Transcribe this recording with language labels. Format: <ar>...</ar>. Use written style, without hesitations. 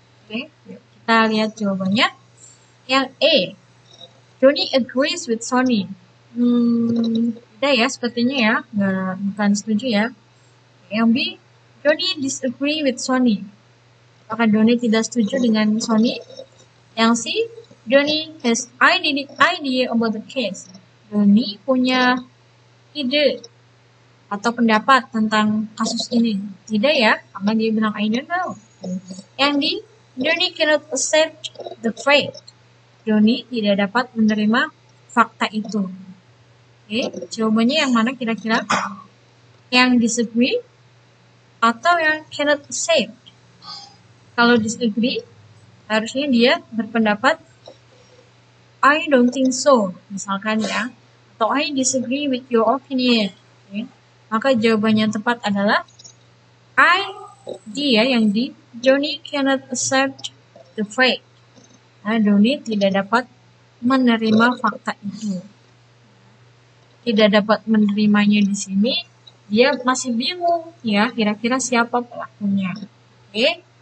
<id>Oke, kita lihat jawabannya. Yang A,</id> <en>Johnny agrees with Sony.</en> <id>Tidak ya, sepertinya ya, bukan setuju ya. Yang B,</id> <en>Johnny disagree with Sony.</en> <id>Apakah Johnny tidak setuju dengan Sony?</id> <en>Yang C, Johnny has idea about the case.</en> <id>Johnny punya ide atau pendapat tentang kasus ini. Tidak ya, karena dia bilang</id> <en>I don't know.</en> <id>Yang D,</id> <en>Johnny cannot accept the fact.</en> <id>Johnny tidak dapat menerima fakta itu. Okay. Jawabannya yang mana kira-kira? Yang disagree atau yang cannot say? Kalau disagree, harusnya dia berpendapat</id> <en>I don't think so,</en> <id>misalkan ya.</id> <en>Atau I disagree with your opinion. Okay.</en> <id>Maka jawaban yang tepat adalah I, dia yang di,</id> <en>Johnny cannot accept the fact.</en> <id>Nah, Johnny tidak dapat menerima fakta itu. Tidak dapat menerimanya di sini, dia masih bingung ya, kira-kira siapa pelakunya. Oke, okay.</id>